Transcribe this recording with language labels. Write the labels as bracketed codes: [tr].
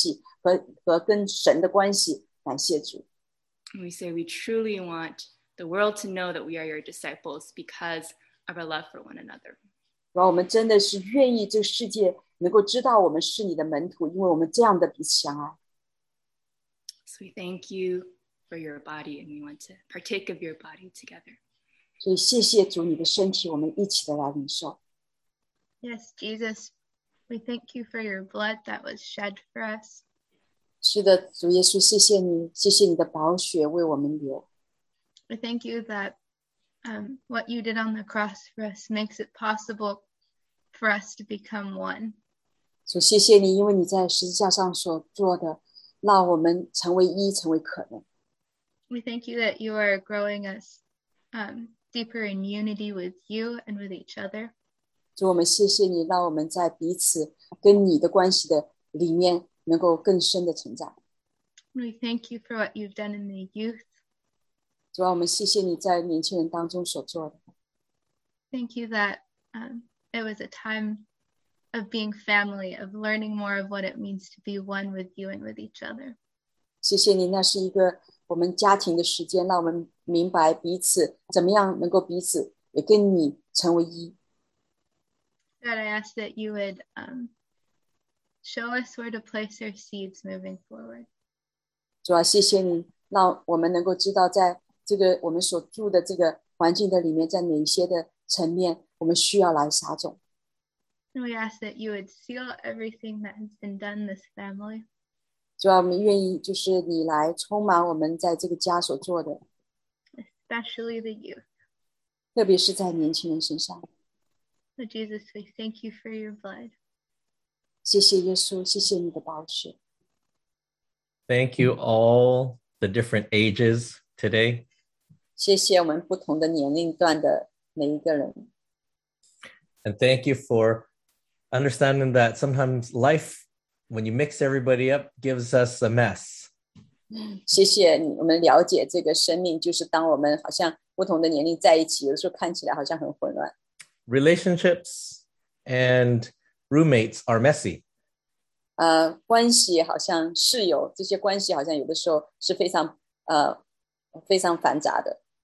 [zh] 主啊,谢谢你为着我们能够更深地加深我们彼此的关系和跟神的关系, 感谢主。 [en] We say we truly want the world to know that we are your disciples because of our love for one another. [zh] 主啊,我们真的是愿意这个世界能够知道我们是你的门徒, 因为我们这样的彼此相爱。 [en] So we thank you for your body, and we want to partake of your body together. [zh] 所以谢谢主你的身体, [en] yes, Jesus, we thank you for your blood that was shed for us. [zh] 是的, 主耶稣, 谢谢你, 谢谢你的宝血为我们流。 [en] We thank you that what you did on the cross for us makes it possible for us to become one. [zh] 主谢谢你, 因为你在十字架上所做的, 让我们成为一, 成为可能。 [en] We thank you that you are growing us deeper in unity with you and with each other. [zh] 主我们谢谢你, 让我们在彼此跟你的关系的里面能够更深的成长。 [en] We thank you for what you've done in the youth. [zh] 主啊,我们谢谢你在年轻人当中所做的。 [en] Thank you that it was a time of being family, of learning more of what it means to be one with you and with each other. [zh] 谢谢你,那是一个 我们家庭的时间, 让我们明白彼此怎么样能够彼此也跟你成为一。 [en] God, I ask that you would show us where to place our seeds moving forward. [zh] 主啊, 谢谢你, 让我们能够知道在这个我们所住的这个环境的里面, 在哪些的层面, 我们需要来撒种。 [en] We ask that you would seal everything that has been done this family. [zh] 主啊,我们愿意就是你来充满我们在这个家所做的。 [en] Especially the youth. [zh] 特别是在年轻人身上。 [en] So Jesus, we thank you for your blood. [zh] 谢谢耶稣，谢谢你的宝血。 [en] Thank you all the different ages today. [zh] 谢谢我们不同的年龄段的每一个人。 [en] And thank you for understanding that sometimes life, when you mix everybody up, gives us a mess. [zh] 谢谢你，我们了解这个生命，就是当我们好像不同的年龄在一起，有的时候看起来好像很混乱。 [en] Relationships and roommates are messy. [zh] 关系好像室友，这些关系好像有的时候是非常非常繁杂的。